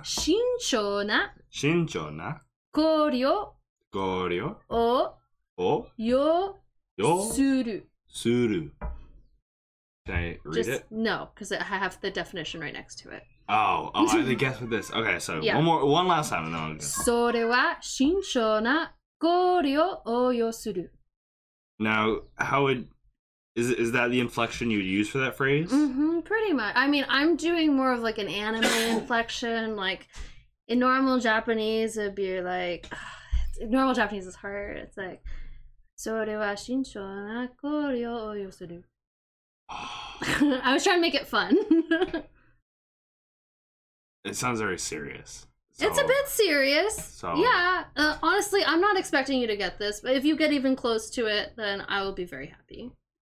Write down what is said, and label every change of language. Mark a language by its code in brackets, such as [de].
[ja] Shincho na? Shincho na? Koryo? Koryo? O? O? Yo? Yo? Suru? Suru. [en] Can I read it? No, because I have the definition right next to it. Oh, I had to guess with this. Okay, so yeah. One last time. No, [ja] それは慎重な考慮を要する。 [en] Now, how would... Is that the inflection you'd use for that phrase? Mm-hmm, pretty much. I mean, I'm doing more of like an anime inflection. Like, in normal Japanese, it'd be like... normal Japanese is hard. It's like... [ja] それは慎重な考慮を要する。 [en] I was trying to make it fun. It sounds very serious. So, it's a bit serious. So, yeah. Honestly, I'm not expecting you to get this, but if you get even close to it, then I will be very happy.